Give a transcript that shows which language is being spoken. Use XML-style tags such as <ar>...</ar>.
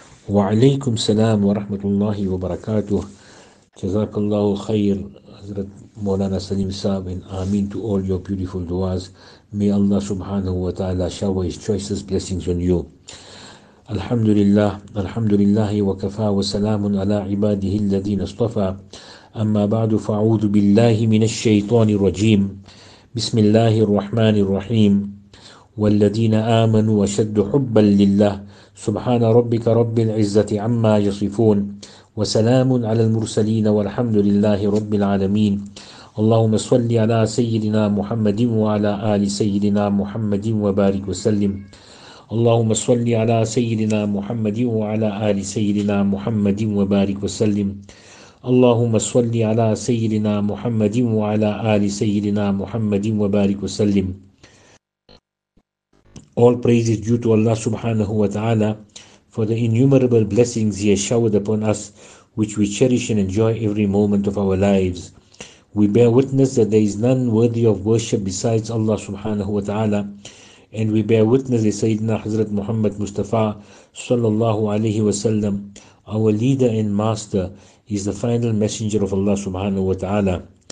<ar>وعليكم السلام ورحمة الله وبركاته. جزاك الله خير حضرت مولانا سليم صاحب.</ar> <en>آمين to all your beautiful duas. May Allah subhanahu wa ta'ala shower his choicest blessings on you.</en> <ar>الحمد لله الحمد لله وكفى وسلام على عباده الذين اصطفى. أما بعد فأعوذ بالله من الشيطان الرجيم. بسم الله الرحمن الرحيم. والذين آمنوا وشد حبا لله سبحان ربك رب العزة عما يصفون وسلام على المرسلين والحمد لله رب العالمين. اللهم صل على سيدنا محمد وعلى آل سيدنا محمد وبارك وسلم. اللهم صل على سيدنا محمد وعلى آل سيدنا محمد وبارك وسلم. اللهم صل على سيدنا محمد وعلى آل سيدنا محمد وبارك وسلم.</ar> <en>All praise is due to Allah subhanahu wa ta'ala for the innumerable blessings He has showered upon us, which we cherish and enjoy every moment of our lives. We bear witness that there is none worthy of worship besides Allah subhanahu wa ta'ala, and we bear witness that Sayyidina Hazrat Muhammad Mustafa sallallahu alayhi wa sallam, our leader and master, is the final messenger of Allah subhanahu wa ta'ala.</en>